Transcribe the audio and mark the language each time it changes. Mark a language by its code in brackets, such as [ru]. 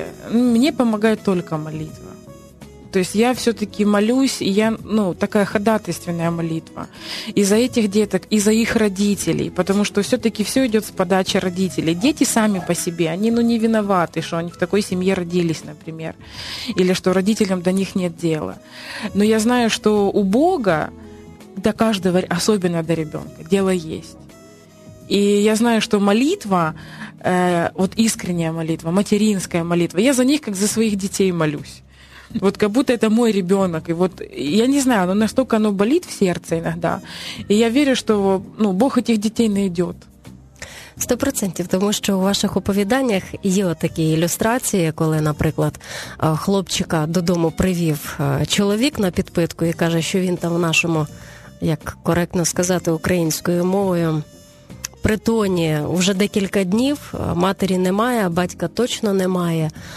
[uk] Мені допомагає тільки молитва. [ru] То есть я все-таки молюсь, и я, ну, такая ходатайственная молитва. И за этих деток, и за их родителей. Потому что все-таки все идет с подачи родителей. Дети сами по себе, они, ну, не виноваты, что они в такой семье родились, например. Или что родителям до них нет дела. Но я знаю, что у Бога до каждого, особенно до ребенка, дело есть. И я знаю, что молитва, вот искренняя молитва, материнская молитва, я за них, как за своих детей молюсь. Вот как будто это мой ребенок. И вот я не знаю, но настолько оно болит в сердце иногда. И я верю, что, ну, Бог этих детей найдет. [uk] 100%, тому що у ваших оповіданнях є такі ілюстрації, коли, наприклад, хлопчика додому привів чоловік на підпитку і каже, що він там в нашому, як коректно сказати українською мовою, притоні вже декілька днів, матері немає, батька точно немає.